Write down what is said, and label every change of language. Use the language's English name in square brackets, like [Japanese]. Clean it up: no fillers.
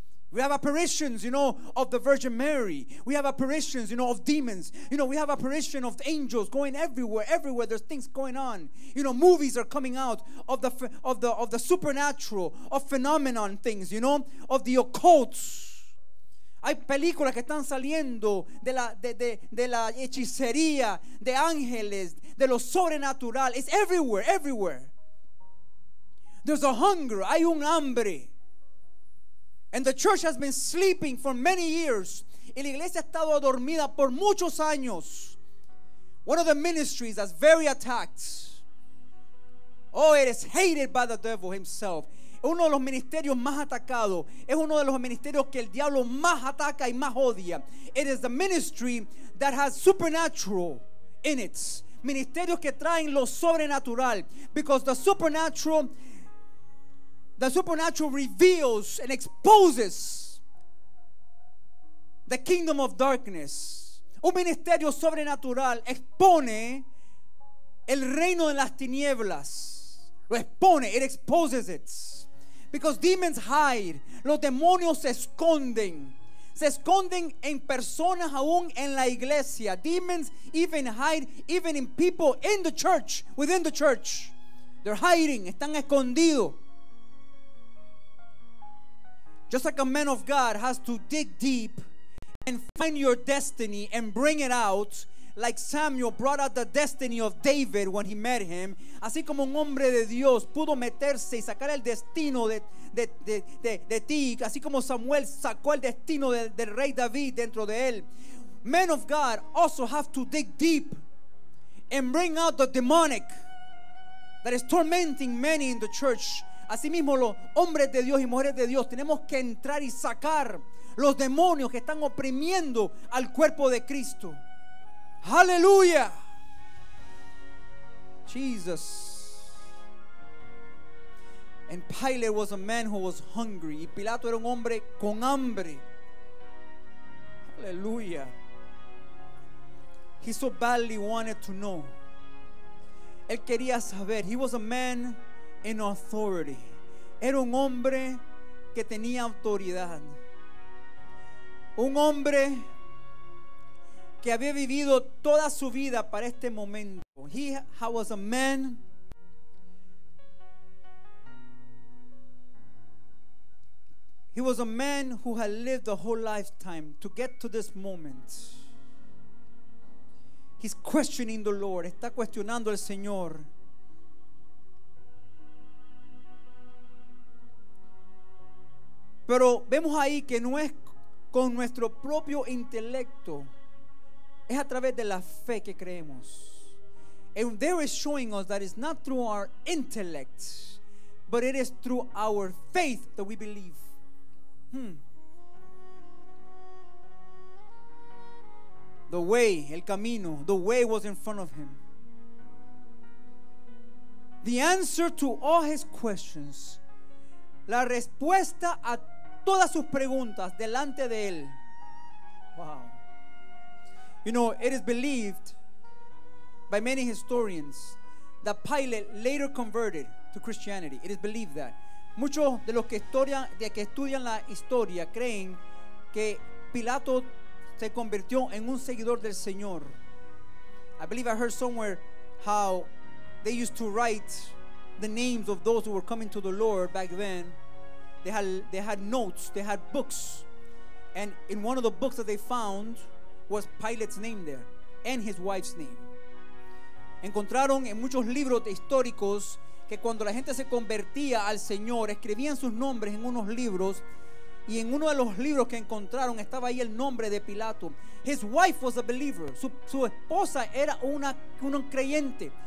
[English] We have apparitions, you know, of the Virgin Mary. We have apparitions, you know, of demons. You know, we have apparition of angels going everywhere. There's things going on. You know, movies are coming out of the supernatural, of phenomenon things, you know, of the occult. [Spanish] Hay películas que están saliendo de la hechicería, de ángeles, de lo sobrenatural. [English] It's everywhere. There's a hunger. [Spanish] Hay un hambre. [English] And the church has been sleeping for many years. [Spanish] Y la iglesia ha estado dormida por muchos años. [English] One of the ministries that's very attacked. Oh, it is hated by the devil himself. [Spanish] Uno de los ministerios más atacados. Es uno de los ministerios que el diablo más ataca y más odia. [English] It is the ministry that has supernatural in it. [Spanish] Ministerios que traen lo sobrenatural. [English] Because the supernatural reveals and exposes the kingdom of darkness. [Spanish] Un ministerio sobrenatural expone el reino de las tinieblas. Lo expone, [English] it exposes it. Because demons hide. [Spanish] Los demonios se esconden. Se esconden en personas aún en la iglesia. [English] Demons even hide even in people in the church, within the church. They're hiding, [Spanish] están escondidos. [English] Just like a man of God has to dig deep and find your destiny and bring it out, like Samuel brought out the destiny of David when he met him. [Spanish] Así como un hombre de Dios pudo meterse y sacar el destino de ti, así como Samuel sacó el destino del rey David dentro de él. [English] Men of God also have to dig deep and bring out the demonic that is tormenting many in the church. [Spanish] Asimismo, los hombres de Dios y mujeres de Dios tenemos que entrar y sacar los demonios que están oprimiendo al cuerpo de Cristo. Aleluya. Jesus. [English] And Pilate was a man who was hungry. [Spanish] Y Pilato era un hombre con hambre. Aleluya. [English] He so badly wanted to know. [Spanish] Él quería saber. [English] He was a man in authority. [Spanish] Era un hombre que tenía autoridad. Un hombre que había vivido toda su vida para este momento. [English] He was a man who had lived a whole lifetime to get to this moment. He's questioning the Lord. [Spanish] Está cuestionando al Señor. Pero vemos ahí que no es con nuestro propio intelecto, es a través de la fe que creemos. [English] And there is showing us that it's not through our intellect, but it is through our faith that we believe. The way, [Spanish] el camino, [English] the way was in front of him. The answer to all his questions, [Spanish] la respuesta a todas sus preguntas delante de él, Wow. [English] You know, it is believed by many historians that Pilate later converted to Christianity. It is believed that. [Spanish] Muchos de los que estudian la historia creen que Pilato se convirtió en un seguidor del Señor. [English] I believe I heard somewhere how they used to write the names of those who were coming to the Lord back then. They had notes, they had books. And in one of the books that they found was Pilate's name there and his wife's name. [Spanish] Encontraron en muchos libros históricos que cuando la gente se convertía al Señor, escribían sus nombres en unos libros, y en uno de los libros que encontraron estaba ahí el nombre de Pilato. [English] His wife was a believer. [Spanish] Su esposa era una creyente.